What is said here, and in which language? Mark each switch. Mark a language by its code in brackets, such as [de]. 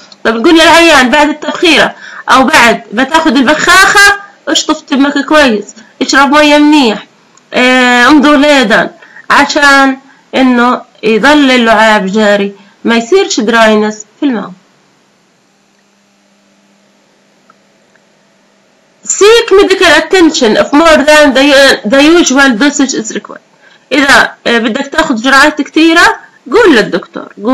[ar] طب نقول للعيان بعد التبخيره او بعد ما تاخذ البخاخه اشطف تمك كويس، اشرب مية منيح، امضوا ليدن عشان انه يظل اللعاب جاري، ما يصيرش دراينس في الماوث. [en] Seek medical attention if more than the usual dosage is required. [ar] اذا بدك تاخذ جرعات كثيرة قول للدكتور.